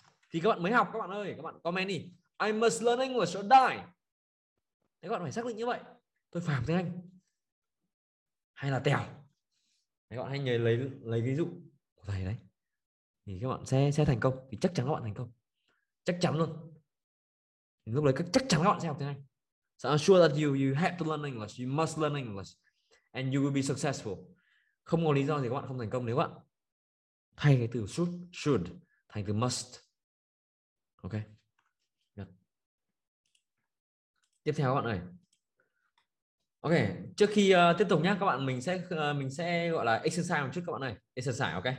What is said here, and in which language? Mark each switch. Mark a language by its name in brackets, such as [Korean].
[Vietnamese] Thì các bạn mới học, các bạn ơi, các bạn comment đi. [English] I must learn English or die. [Vietnamese] Thế các bạn phải xác định như vậy. Tôi phải học tiếng Anh hay là tèo. Các bạn hãy nhớ lấy ví dụ của thầy đấy. Thì các bạn sẽ thành công, thì chắc chắn các bạn thành công. Chắc chắn luôn. Lúc đấy chắc chắn các bạn sẽ học tiếng Anh. [English] So I'm sure that you have to learn English, you must learn English and you will be successful. [Vietnamese] Không có lý do gì các bạn không thành công nếu bạn thay cái từ should thành từ must. Ok. Yeah. Tiếp theo các bạn ơi. Ok, trước khi tiếp tục nhé, các bạn mình sẽ gọi là exercise một chút các bạn ơi. Exercise, ok.